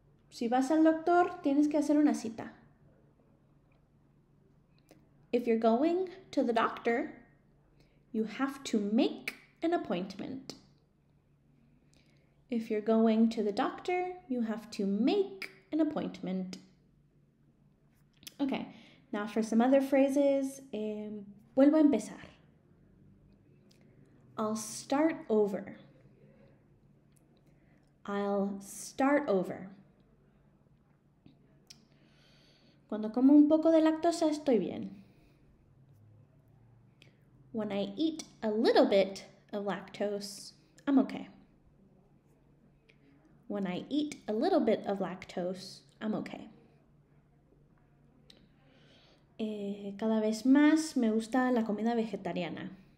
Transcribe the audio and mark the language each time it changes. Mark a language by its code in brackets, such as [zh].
[es] Si vas al doctor, tienes que hacer una cita. [en] If you're going to the doctor, you have to make an appointment. If you're going to the doctor, you have to make an appointment. Okay, now for some other phrases, [es] vuelvo a empezar. [en] I'll start over. I'll start over. [es] Cuando como un poco de lactosa, estoy bien. [en] When I eat a little bit of lactose, I'm okay. When I eat a little bit of lactose, I'm okay. [es] Cada vez más me gusta la comida vegetariana.